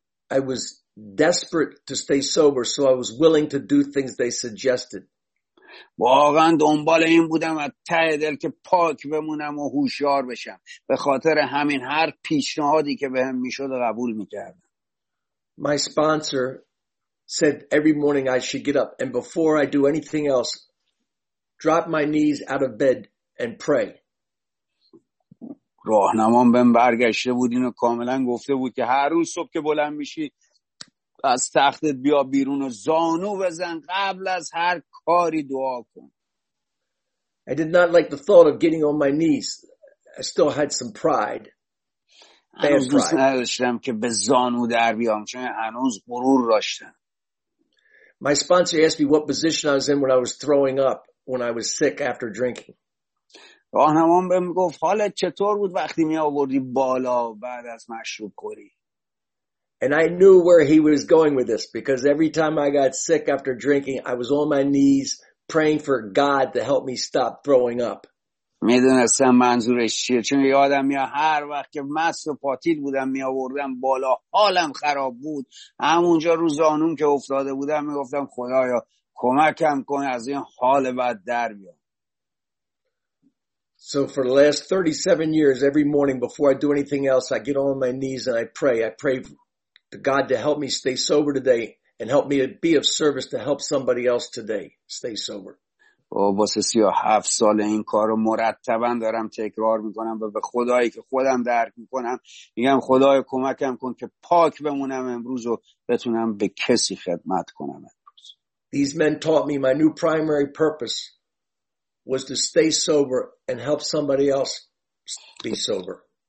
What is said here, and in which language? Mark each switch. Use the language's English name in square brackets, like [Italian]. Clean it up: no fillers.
[English] I was desperate to stay sober, so I was willing to do things they suggested. [Persian] واقعا دنبال این بودم از ته دل که پاک بمونم و هوشیار بشم، به خاطر همین هر پیشنهادی که بهم میشد قبول میکردم. [English] My sponsor said every morning I should get up and before I do anything else drop my knees out of bed and pray. [Persian] راهنمام بهم برگشته بود اینو کاملا گفته بود که هر روز صبح که بلند میشی از تختت بیا بیرون و زانو بزن، قبل از هر کاری دعا کن. [English] I did not like the thought of getting on my knees. I still had some pride. [Persian] هنوز دوست نداشتم که به زانو در بیام چون هنوز غرور داشتم. [English] My sponsor asked me what position I was in when I was throwing up when I was sick after drinking. [Persian] راهنمام بهم گفت حالت چطور بود وقتی می آوردی بالا بعد از مشروب خوری. [English] And I knew where he was going with this because every time I got sick after drinking, I was on my knees praying for God to help me stop throwing up. [Persian] می دونستم منظورش چیه چون یادم میاد هر وقت که مست و پاتیل بودم می آوردم بالا، حالم خراب بود، همونجا رو زانوم که افتاده بودم می گفتم خدایا کمکم کن از این حال بد در بیام. [English] So for the last 37 years, every morning before I do anything else, I get on my knees and I pray to God to help me stay sober today and help me be of service to help somebody else today stay sober. [Persian] او واسه 37 سال این کارو مرتبا دارم تکرار میکنم و به خدایی که خودم درک میکنم میگم خدایا کمکم کن که پاک بمونم امروز و بتونم به کسی خدمت کنم امروز. [English] These men taught me my new primary purpose was to stay sober and help somebody else be sober.